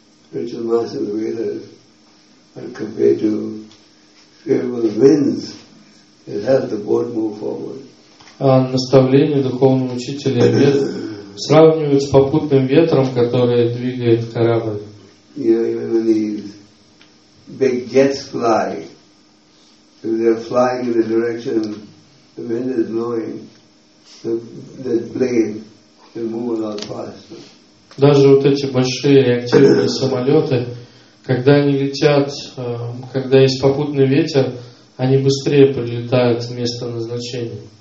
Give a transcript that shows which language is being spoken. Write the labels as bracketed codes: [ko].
[en] Spiritual master Vedas are compared to favorable winds that help the boat move forward. [ru] Наставление духовного учителя Вед сравнивают с попутным ветром, который двигает корабль. [en] You know, even when these big jets fly, if they're flying in the direction the wind is blowing, the plane can move a lot faster. [ru] Даже вот эти большие реактивные самолеты, когда они летят, когда есть попутный ветер, они быстрее прилетают в место назначения.